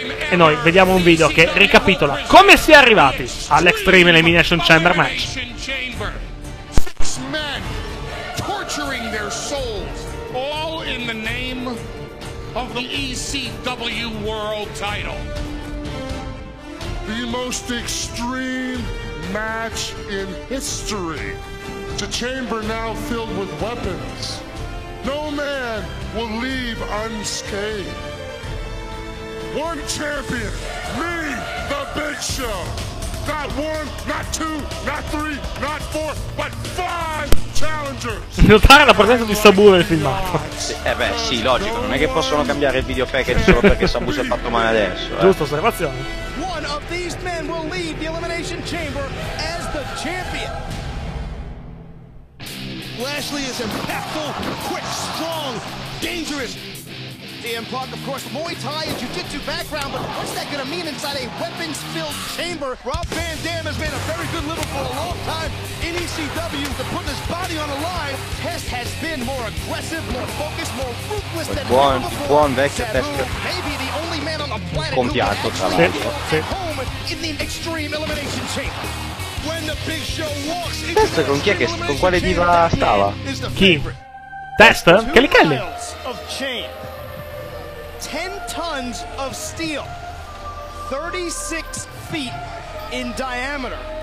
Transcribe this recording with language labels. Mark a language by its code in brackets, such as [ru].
[it] E noi vediamo un video che ricapitola come si è arrivati all'Extreme Elimination Chamber match. [en] Six men torturing their souls, all in the name of the ECW World Title. The most extreme match in history. The chamber now filled with weapons. No man will leave unscathed. One champion, me, the Big Show. not one, not two, not three, not four, but five challengers. [it] Notare la presenza di Sabu nel filmato. Sì, logico, non è che possono cambiare il video package solo perché Sabu si è fatto male adesso. Giusto, osservazione. [en] One of these men will lead the Elimination Chamber as the champion. Lashley is impactful, quick, strong, dangerous. CM Punk, of course, Muay Thai and Jiu-Jitsu background, but what's that going to mean inside a weapons-filled chamber? Rob Van Dam has made a very good living for a long time in ECW to put his body on the line. Test has been more aggressive, more focused, more ruthless than ever before. [it] Buon vecchio Test. [en] Maybe the only man on the planet compiato, who can actually [it] sì, sì. [en] At home in the Extreme Elimination Chamber. [it] Test con chi è che con quale diva stava? Chi? Test? Kelly Kelly. [en] 10 tons of steel, 36 feet in diameter.